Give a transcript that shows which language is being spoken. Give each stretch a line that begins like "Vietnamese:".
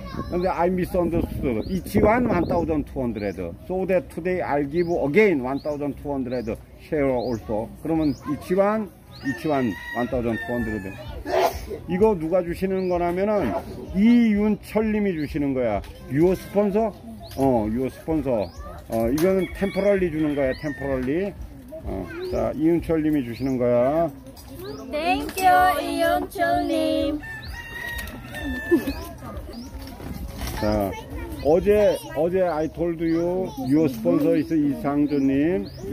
Korean: 근데
English: I misunderstood. 이치완 1,200. So that today I'll give again 1,200 share also.
Korean: 그러면
English: 이치완 이치완 1,200.
Korean: 이거 누가 주시는 거냐면은 이윤철님이 주시는 거야.
English: Your sponsor?
Korean: 어,
English: your sponsor.
Korean: 어, 이거는 temporarily 주는 거야.
English: Temporarily.
Korean: 어, 자, 이윤철 님이 주시는 거야.
English: Thank you, 이윤철 님.
Korean: 자, 어제
English: I told you, your sponsor is 이상준 님.